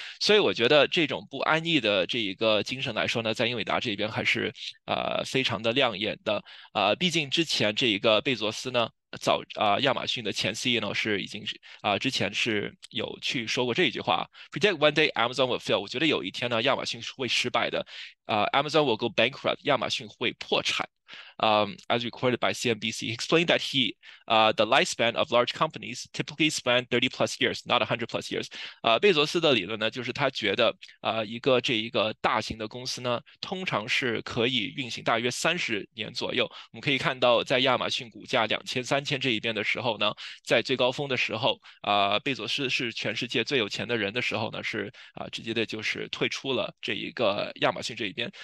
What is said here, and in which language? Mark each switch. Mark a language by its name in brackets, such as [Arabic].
[Chinese] 所以我觉得这种不安逸的这一个精神来说呢，在英伟达这边还是非常的亮眼的啊。毕竟之前这一个贝佐斯呢，亚马逊的前 CEO 是已经是之前是有去说过这一句话： [English] Predict one day Amazon will fail。 [Chinese] 我觉得有一天呢，亚马逊是会失败的， [English] Amazon will go bankrupt， [Chinese] 亚马逊会破产。 [English] As recorded by CNBC, he explained that the lifespan of large companies typically span 30 plus years, not 100 plus years. [Chinese] 贝佐斯的理论呢，就是他觉得，一个大型的公司呢，通常是可以运行大约30年左右。我们可以看到，在亚马逊股价2000、3000这一边的时候呢，在最高峰的时候，贝佐斯是全世界最有钱的人的时候呢，是直接的就是退出了这一个亚马逊这一边。